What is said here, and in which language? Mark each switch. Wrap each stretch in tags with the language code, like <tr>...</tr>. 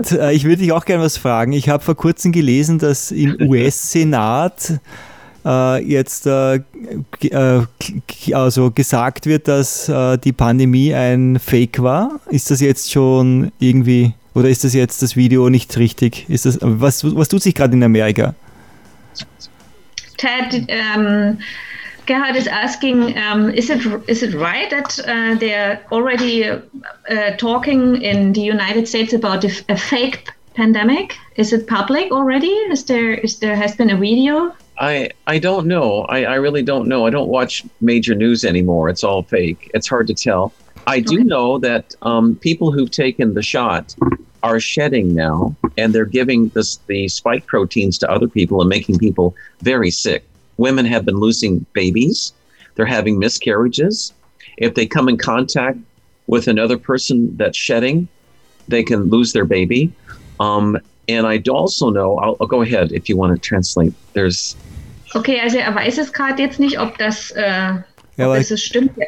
<de>Ted, ich würde dich auch gerne was fragen. Ich habe vor kurzem gelesen, dass im US-Senat gesagt wird, dass die Pandemie ein Fake war. Ist das jetzt schon irgendwie, oder ist das jetzt das Video nicht richtig? Ist das, was tut sich gerade in Amerika?</de> <en>Ted, Gerhard is asking, is it right that they're already talking in the United States about a fake pandemic? Is it public already? Has there been a video? I don't know. I really don't know. I don't watch major news anymore. It's all fake. It's hard to tell. I do know that people who've taken the shot are shedding now, and they're giving the spike proteins to other people and making people very sick. Women have been losing babies. They're having miscarriages. If they come in contact with another person that's shedding, they can lose their baby. And I also know, I'll go ahead if you want to translate.</en> <de>Okay, also er weiß es gerade jetzt nicht, ob das es stimmt.</de>